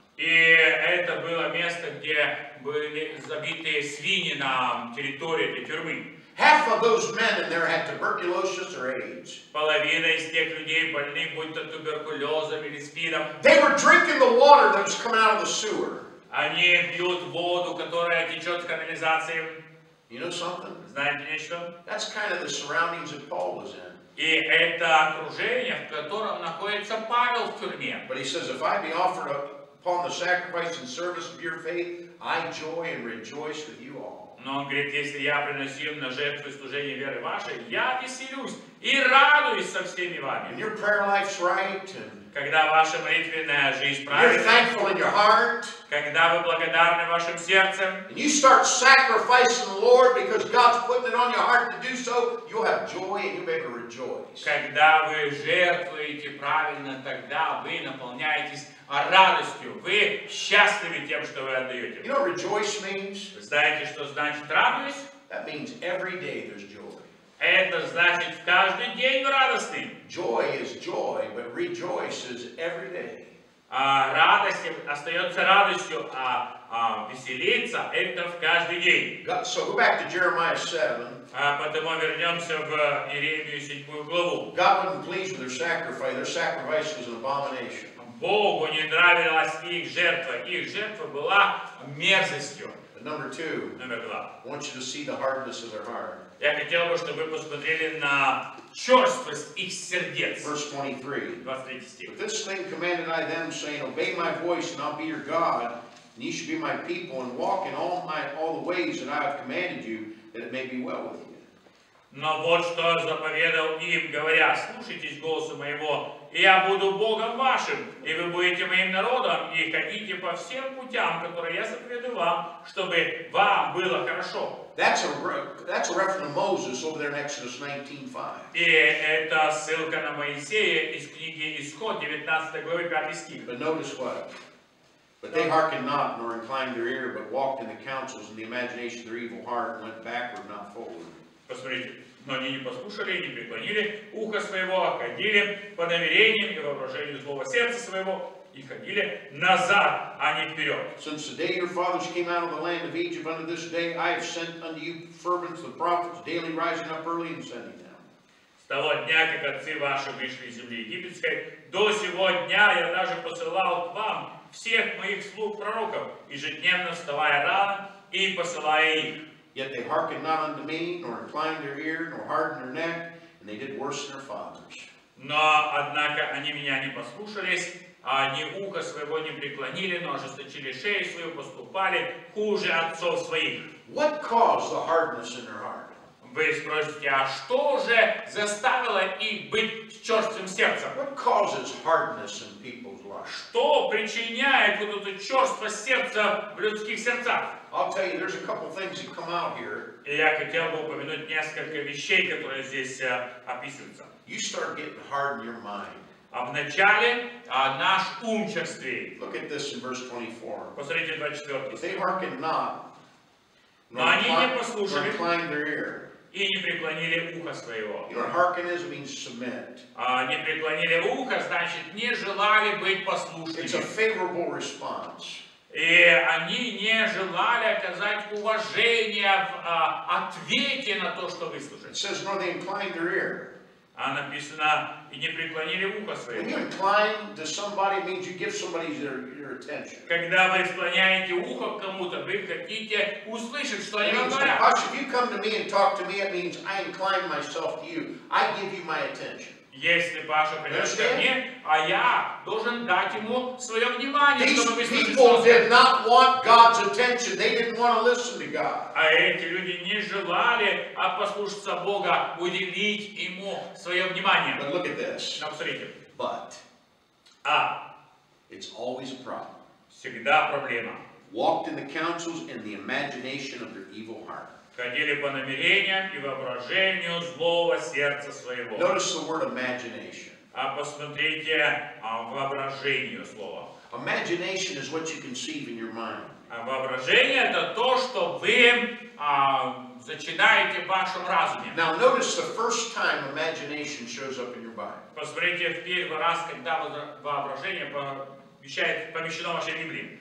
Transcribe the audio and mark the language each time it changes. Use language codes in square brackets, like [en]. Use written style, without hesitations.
[ru] И это было место, где были забиты свиньи на территории этой тюрьмы. [en] Half of those men in there had tuberculosis or AIDS. [ru] Половина из тех людей больны будь то туберкулезом или СПИДом. [en] They were drinking the water that was coming out of the sewer. [ru] Они пьют воду, которая течет с канализации. [en] You know something? [ru] Знаете нечто? [en] That's kind of the surroundings that Paul was in. [ru] И это окружение, в котором находится Павел в тюрьме. [en] But he says, if I be offered upon the sacrifice and service of your faith, I joy and rejoice with you all. [ru] Но он говорит, если я приношу им на жертву служение веры вашей, я веселюсь и радуюсь со всеми вами. [en] And your prayer life's right. [ru] Когда ваша молитвенная жизнь правильна, когда вы благодарны вашим сердцем, [en] and you start sacrificing the Lord because God's putting it on your heart to do so, you'll have joy and you'll be able to rejoice. [ru] Когда вы жертвуете правильно, тогда вы наполняетесь радостью, вы счастливы тем, что вы отдаете. [en] You know what rejoice means? [ru] Знаете, что значит радость? [en] That means every day there's joy. [ru] Это значит в каждый день радости. [en] Joy is joy, but rejoice is every day. [ru] Радость остается радостью, а веселиться это в каждый день. [en] God, so go back to Jeremiah 7. [ru] Потом вернемся в Иеремию 7 главу. [en] God wasn't pleased with their sacrifice was an abomination. [ru] Богу не нравилась их жертва была мерзостью. [en] Number two. [ru] Номер два. [en] I want you to see the hardness of their heart. [ru] Я хотел бы, чтобы вы посмотрели на черствость их сердец. [en] Verse 23. But this thing commanded I them, saying, Obey my voice, and I'll be your God, and ye shall be my people, and walk in all the ways that I have commanded you, that it may be well with you. [ru] Но вот что заповедал им, говоря, слушайтесь голосу моего, и я буду Богом вашим, и вы будете моим народом, и ходите по всем путям, которые я заповедую вам, чтобы вам было хорошо. [en] That's a reference to Moses over there in Exodus 19:5. [ru] И это ссылка на Моисея из книги Исход, 19 главы, 5 стих. [en] But notice what? But they hearkened not, nor inclined their ear, but walked in the counsels and the imagination of their evil heart, and went backward, not forward. [ru] Посмотрите, но они не послушали и не преклонили ухо своего, а ходили по намерениям и воображению злого сердца своего, и ходили назад, а не вперед. [en] Since the day your fathers came out of the land of Egypt unto this day, I have sent unto you fervents the prophets, daily rising up early and sending them. [ru] С того дня, как отцы ваши вышли из земли египетской, до сего дня я даже посылал к вам всех моих слуг пророков, ежедневно вставая рано и посылая их. [en] Yet they hearkened not unto me, nor inclined their ear, nor hardened their neck, and they did worse than their fathers. [ru] Но однако они меня не послушались, а ни ухо своего не преклонили, но ожесточили шею свою, поступали хуже отцов своих. [en] What caused the hardness in their heart? [ru] Вы спросите, а что же заставило их быть черствым сердцем? [en] What causes hardness in people's lives? [ru] Что причиняет вот это черство сердца в людских сердцах? [en] I'll tell you, there's a couple things that come out here. [ru] И я хотел бы упомянуть несколько вещей, которые здесь описываются. [en] You start getting hard in your mind. [ru] А вначале наш ум черствеет. [en] Look at this in verse 24. [ru] Посмотрите 24. [en] If they hearken not, nor incline their ear. [ru] И не преклонили ухо своего. [en] You know, hearken is means submit. [ru] Не преклонили ухо, значит, не желали быть послушными. [en] It's a favorable response. [ru] И они не желали оказать уважение в ответе на то, что выслушали. [en] Says, no, they inclined their ear. [ru] А написано, и не преклонили ухо своего. [en] When you incline to somebody, means you give somebody your attention. [ru] Когда вы склоняете ухо к кому-то, вы хотите услышать, что они говорят. [en] Hush, if you come to me and talk to me, it means I incline myself to you. I give you my attention. [ru] Если Паша придет ко мне, а я должен дать ему свое внимание, чтобы выслушать. А эти люди не желали послушаться Бога, уделить ему свое внимание. [en] But look at this. [ru] Но посмотрите. [en] But, it's always a problem. [ru] Всегда проблема. [en] Walked in the counsels and the imagination of their evil heart. [ru] Ходили по намерениям и воображению злого сердца своего. [en] Notice the word imagination. [ru] А посмотрите воображению слова. [en] Imagination is what you conceive in your mind. [ru] А воображение это то, что вы Зачинайте в вашем разуме. [en] Now notice the first time imagination shows up in your Bible. [ru] Посмотрите в первый раз, когда воображение помещено в вашей Библии.